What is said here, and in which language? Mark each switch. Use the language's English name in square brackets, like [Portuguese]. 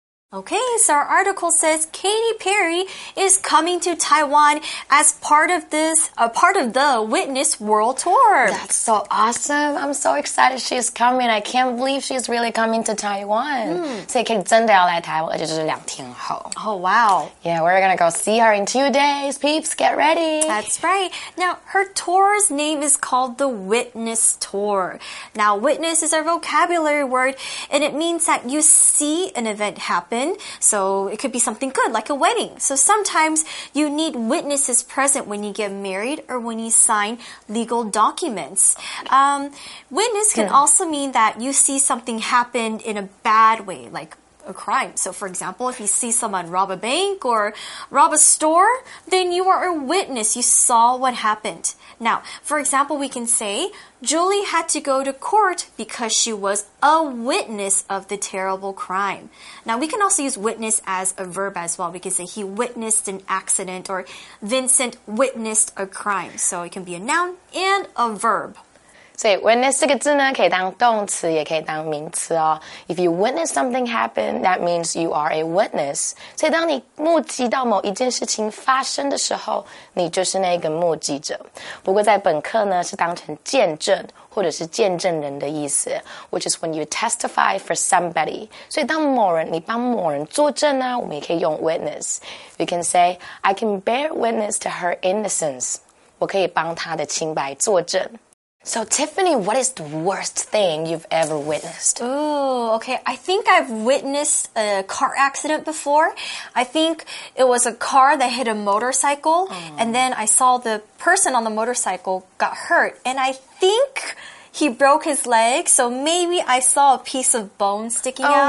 [English] Okay, so our article says Katy Perry is coming to Taiwan as part of the Witness World Tour. That's so awesome. I'm so excited she's coming. I can't believe she's really coming to Taiwan. Mm. [Chinese] 所以可以真的要来台湾，而且就是两天后。 [English] Oh, wow. Yeah, we're gonna go see her in 2 days. Peeps, get ready. That's right. Now, her tour's name is called the Witness Tour. Now, witness is a vocabulary word, and it means that you see an event happen. So it could be something good, like a wedding. So sometimes you need witnesses present when you get married or when you sign legal documents. Witness can also mean that you see something happen in a bad way, like a crime. So for example, if you see someone rob a bank or rob a store, then you are a witness. You saw what happened. Now, for example, we can say, Julie had to go to court because she was a witness of the terrible crime. Now, we can also use witness as a verb as well. We can say he witnessed an accident or Vincent witnessed a crime. So it can be a noun and a verb. [Chinese] 所以 witness 这个字呢可以当动词也可以当名词哦。 [English] If you witness something happen, that means you are a witness. [Chinese] 所以当你目击到某一件事情发生的时候你就是那个目击者。不过在本课呢是当成见证或者是见证人的意思 [English] which is when you testify for somebody. [Chinese] 所以当某人你帮某人作证呢我们也可以用 witness. [English] You can say, I can bear witness to her innocence. [Chinese] 我可以帮她的清白作证。 [English] So, Tiffany, what is the worst thing you've ever witnessed? Ooh, okay. I think I've witnessed a car accident before. I think it was a car that hit a motorcycle. Mm. And then I saw the person on the motorcycle got hurt. And I think he broke his leg. So maybe I saw a piece of bone sticking out.